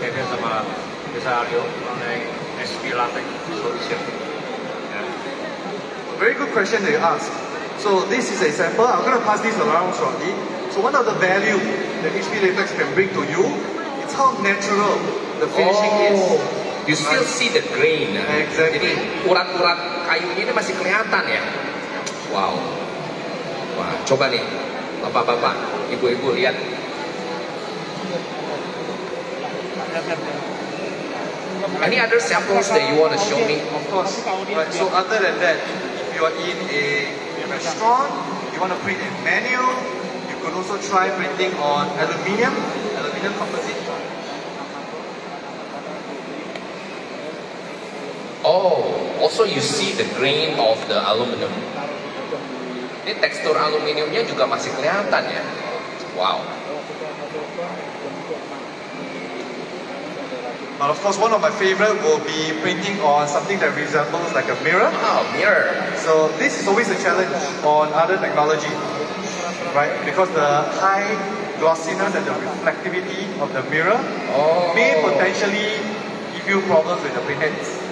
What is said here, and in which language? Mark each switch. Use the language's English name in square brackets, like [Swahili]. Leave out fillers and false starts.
[Indonesian] Kevin sama Mr. Aryo mengenai SP Latex Solution. [English] Very good question that you asked. So this is a sample. I'm going to pass this around shortly. So one of the value that HP Latex can bring to you, it's how natural the finishing is. You still see the grain. Exactly. [Indonesian] Jadi urat-urat kayunya ini masih kelihatan ya. Wow. Wah, coba nih, bapak-bapak, ibu-ibu lihat. [English] Any other samples that you want to show me? Of course. Right, so other than that, you are in a restaurant, you want to print a menu, you could also try printing on aluminium composite. Oh, also you see the grain of the aluminium. [Indonesian] Ini tekstur aluminiumnya juga masih kelihatan ya. [English] Wow. But of course, one of my favorite will be printing on something that resembles like a mirror. Oh, mirror. So this is always a challenge on other technology, right? Because the high glossiness and the reflectivity of the mirror may potentially give you problems with the printheads.